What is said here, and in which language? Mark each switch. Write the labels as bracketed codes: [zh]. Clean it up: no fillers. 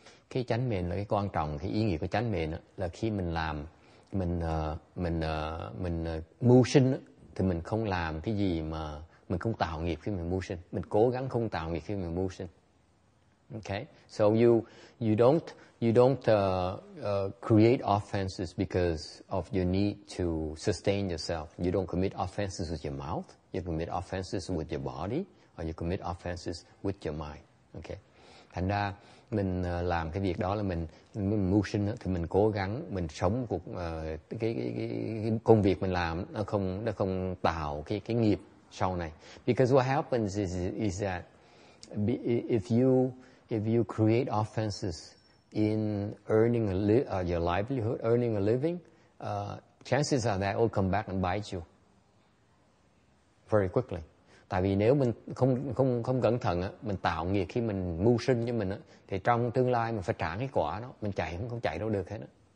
[vi] Cái chánh bền là cái quan trọng, cái ý nghĩa của chánh bền là khi mình làm mình mưu sinh thì mình không làm cái gì mà mình không tạo nghiệp khi mình mưu sinh, mình cố gắng không tạo nghiệp khi mình mưu sinh. [en] Okay, so you don't create offenses because of your need to sustain yourself. You don't commit offenses with your mouth, you commit offenses with your body, or you commit offenses with your mind. Okay, [vi] thành ra mình làm cái việc đó là mình mưu sinh thì mình cố gắng mình sống cuộc cái công việc mình làm nó không tạo cái nghiệp sau này. [en] Because what happens is that if you create offenses in earning your livelihood, earning a living, chances are that it will come back and bite you very quickly. [vi] Tại vì nếu mình không cẩn thận á, mình tạo nghiệp khi mình mưu sinh cho mình á, thì trong tương lai mình phải trả cái quả đó, mình chạy không chạy đâu được hết á.